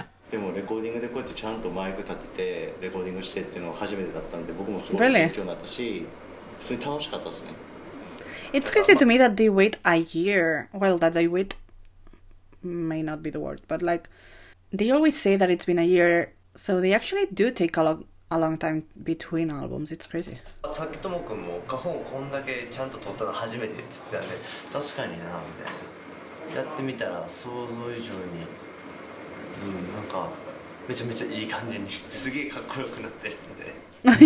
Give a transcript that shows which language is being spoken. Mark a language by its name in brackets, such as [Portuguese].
[Japanese] でもレコーディングでこうやってちゃんとマイク立ててレコーディングしてっていうのは初めてだったんで僕もすごい勉強になったし普通に楽しかったですね [English] It's crazy to me that they wait a year well that they wait may not be the word but like they always say that it's been a year so they actually do take a long time between albums. It's crazy. [Japanese] さきともくんも花本こんだけちゃんと撮ったの初めてって言ってたんで確かになみたいなやってみたら想像以上にうんなんかめちゃめちゃいい感じにすげえかっこよくなってるんで